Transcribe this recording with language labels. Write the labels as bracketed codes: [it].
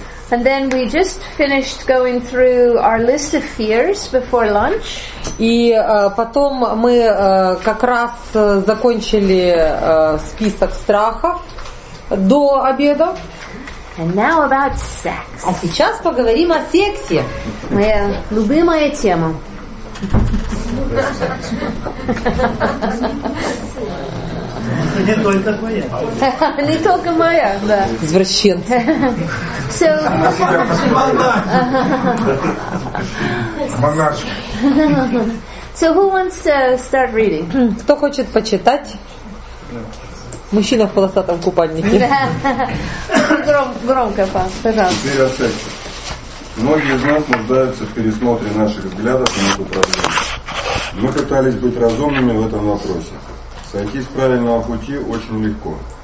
[en] And then we just finished going through our list of fears before lunch. [ru] И потом мы как раз закончили список страхов до обеда. [en] And now about sex. [ru] А сейчас поговорим о сексе. Моя любимая тема. [en] Yeah. [ru] Не только моя. Не только моя, да. Извращенцы. Все. Монашка. [en] So who wants to start reading? [ru] Кто хочет почитать? Мужчина в полосатом купальнике. Громко, пожалуйста. Теперь о сексе. Многие из нас нуждаются в пересмотре наших взглядов на эту проблему. Мы пытались быть разумными в этом вопросе. Сойти с правильного пути очень легко.